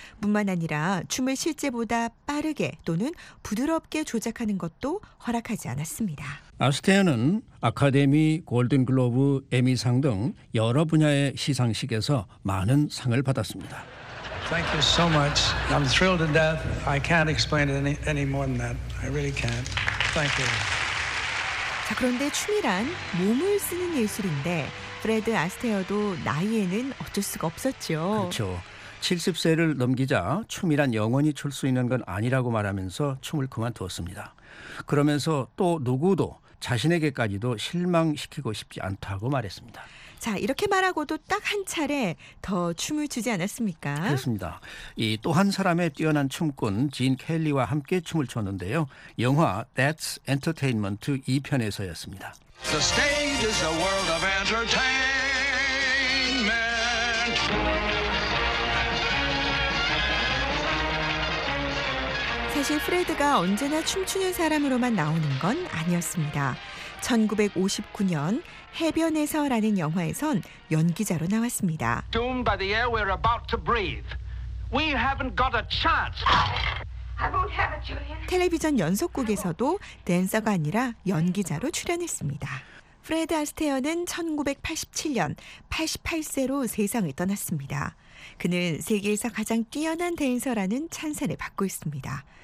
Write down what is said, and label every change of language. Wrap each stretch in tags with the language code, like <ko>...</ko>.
<ko>뿐만 아니라 춤을 실제보다 빠르게 또는 부드럽게 조작하는 것도 허락하지 않았습니다. 아스테어는 아카데미, 골든글로브, 에미상 등 여러 분야의 시상식에서 많은 상을 받았습니다.</ko> <en>Thank you so much. I'm thrilled to death. I can't explain it any more than that. I really can't. Thank you.</en> <ko>자, 그런데 춤이란 몸을 쓰는 예술인데 프레드 아스테어도 나이에는 어쩔 수가 없었죠. 그렇죠. 70세를 넘기자 춤이란 영원히 출 수 있는 건 아니라고 말하면서 춤을 그만두었습니다. 그러면서 또 누구도 자신에게까지도 실망시키고 싶지 않다고 말했습니다. 자, 이렇게 말하고도 딱 한 차례 더 춤을 추지 않았습니까? 그렇습니다. 이 또 한 사람의 뛰어난 춤꾼 진 켈리와 함께 춤을 췄는데요. 영화 That's Entertainment 2편에서였습니다.</ko> <en>The stage is a world of entertainment.</en> <ko>사실 프레드가 언제나 춤추는 사람으로만 나오는 건 아니었습니다. 1959년 해변에서라는 영화에선 연기자로 나왔습니다.</ko> <en>Doomed by the air we're about to breathe. We haven't got a chance. I won't have it, Julian.</en> <ko>텔레비전 연속극에서도 댄서가 아니라 연기자로 출연했습니다. 프레드 아스테어는 1987년 88세로 세상을 떠났습니다. 그는 세계에서 가장 뛰어난 댄서라는 찬사를 받고 있습니다.</ko>